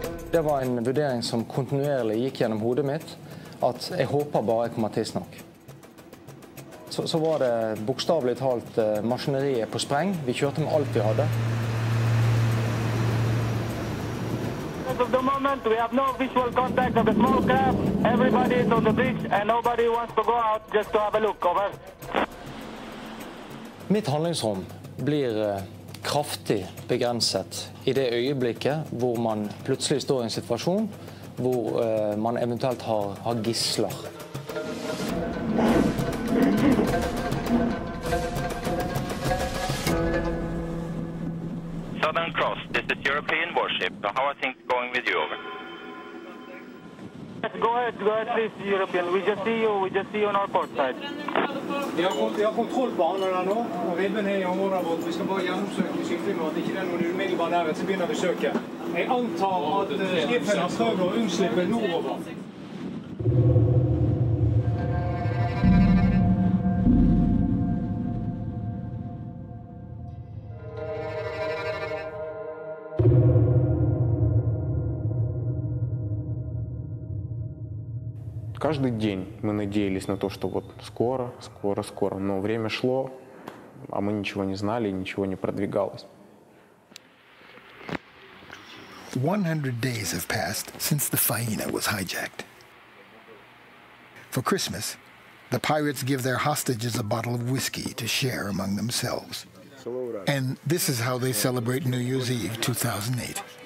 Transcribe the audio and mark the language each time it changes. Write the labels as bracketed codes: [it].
[no] Det var en vurdering som kontinuerlig gikk gjennom hodet mitt. At jeg håper bare jeg kommer tidsnok. Så var det bokstavlig talt maskineriet på spreng. Vi kjørte med alt vi hadde. [en] At the moment, we have no visual contact of the small craft. Everybody is on the bridge and nobody wants to go out just to have a look, over. [no] Mitt handlingsrom blir kraftig begrenset i det øyeblikket hvor man plutselig står i en situasjon hvor man eventuelt har gisler. [en] Southern Cross, this is European warship. How are things going with you, over? Go ahead, please, European. We just see you on our port side. [no] Vi har kontroll på andre nå, og ribben er i området vårt. Vi skal bare gjennomsøke skiftet, ikke det noen umiddelbar nærhet, så begynner vi å søke. Jeg antar at skiftet har prøvd å unnslippe nordover. [ru] Каждый день мы надеялись на то, что вот скоро, скоро, скоро. Но время шло, а мы ничего не знали, ничего не продвигалось. [en] 100 days have passed since the Faina was hijacked. For Christmas, the pirates give their hostages a bottle of whiskey to share among themselves. And this is how they celebrate New Year's Eve 2008.